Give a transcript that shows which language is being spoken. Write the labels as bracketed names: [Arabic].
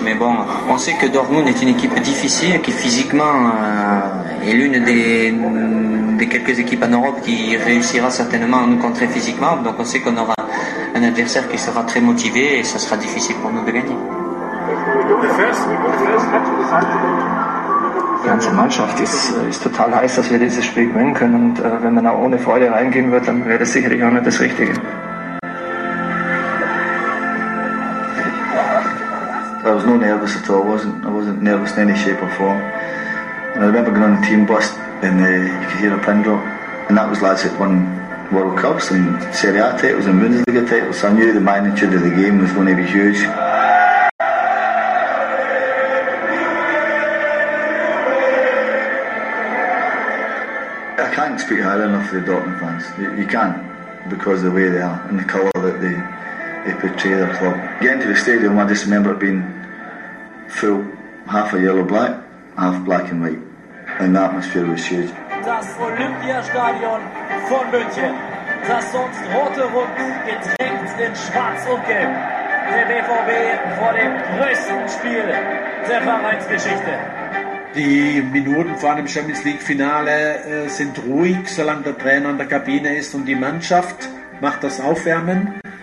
[French] Mais bon, on sait que Dortmund est une équipe difficile qui physiquement est l'une des quelques équipes en Europe qui réussira certainement à nous contrer physiquement. Donc on sait qu'on aura un adversaire qui sera très motivé et ça sera difficile pour nous de gagner. [German] Die ganze Mannschaft ist total heiß, dass wir dieses Spiel gewinnen können. Und wenn man auch ohne Freude reingehen wird, dann wäre das sicherlich auch nicht das Richtige. [English] I was not nervous at all. I wasn't nervous in any shape or form. And I remember going on the team bus and you could hear a pin drop. And that was lads that won World Cups and Serie A titles and Bundesliga titles. So I knew the magnitude of the game was going to be huge. I can't speak highly enough for the Dortmund fans. You can't, because of the way they are and the colour that they portray their club. Getting to the stadium, I just remember it being full, half a yellow black, half black and white, and the atmosphere was huge. [German] Das Olympiastadion von München, das sonst rote Rücken getränkt in schwarz und gelb. Der BVB vor dem größten Spiel der Vereinsgeschichte. Die Minuten vor einem Champions-League-Finale sind ruhig, solange der Trainer in der Kabine ist und die Mannschaft macht das Aufwärmen.